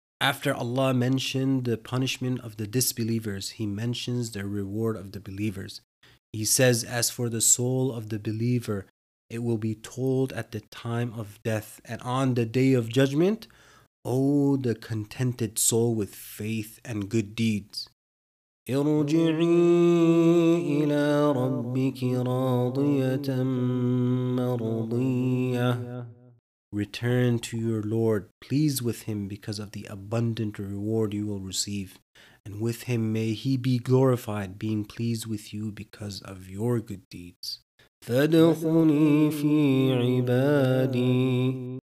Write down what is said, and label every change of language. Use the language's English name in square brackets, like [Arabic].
[English] After Allah mentioned the punishment of the disbelievers, He mentions the reward of the believers. He says, as for the soul of the believer, it will be told at the time of death and on the day of judgment, O the contented soul with faith and good deeds. [Arabic] ارجعي إلى ربك راضية مرضية. [English] Return to your Lord, pleased with Him because of the abundant reward you will receive. And with Him may He be glorified, being pleased with you because of your good deeds. [Arabic] فَادْخُلِي فِي عِبَادِي.